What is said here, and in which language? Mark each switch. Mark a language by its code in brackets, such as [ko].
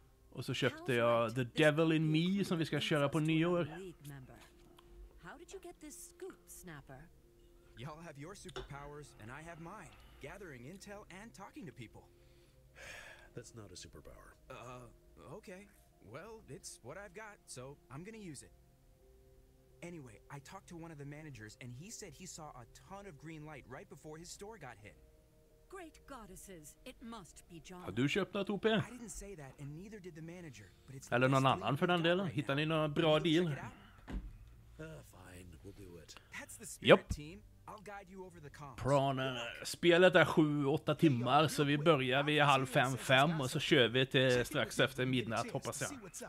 [sv] Och så köpte jag The Devil in Me som vi ska köra på nyår. [en] How did you get this scoop, Snapper? Y'all have your superpowers and I have mine, gathering intel and talking to people. That's not a superpower. Okay. Well, it's what I've got, so I'm gonna use it. Anyway, I talked to one of the managers, and he said he saw a ton of green light right before his store got hit. Great goddesses, it must be John. [sv] Har du köpt något, OP? [en] I didn't say that, and neither did the manager. But it's [sv] eller någon annan för den delen. [en] Right. [sv] Hittar ni någon bra deal? [en] Fine, we'll do it. That's the spirit, yep. Team. I'll guide you over the comps. Prana. [sv] Spelet är 7-8 timmar, så vi börjar vid 4:30-5 och så kör vi till strax efter midnatt, hoppas jag.